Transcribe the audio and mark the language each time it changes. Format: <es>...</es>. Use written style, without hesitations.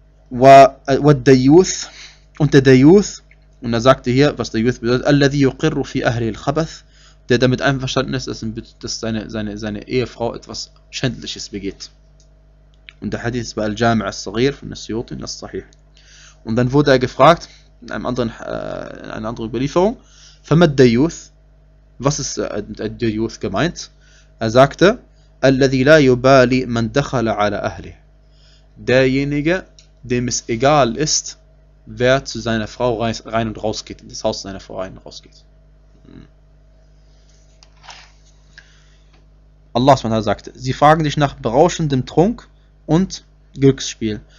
<de>Wal-Dayuth, und der Dayuth, und er sagte hier, was Dayuth bedeutet,</de> <ar>Alladhi yuqirru fi ahli al-Khabath,</ar> <de>der damit einverstanden ist, dass seine Ehefrau etwas Schändliches begeht. Und der Hadith ist bei Al-Jami' al-Saghir von Nasiyuti in al-Sahih. Und dann wurde er gefragt, in einem anderen, in einer anderen Überlieferung,</de> <ar>فَمَدْ دَيُّوث.</ar> <de>Was ist mit Dayuth gemeint? Er sagte,</de> <ar>أَلَّذِي لَا يُبَالِي مَنْ دَخَلَ عَلَى أَهْلِهِ.</ar> <de>Derjenige, dem es egal ist, wer zu seiner Frau rein und raus geht, in das Haus seiner Frau rein und raus geht. Allah SWT sagte, sie fragen dich nach berauschendem Trunk und Glücksspiel.</de>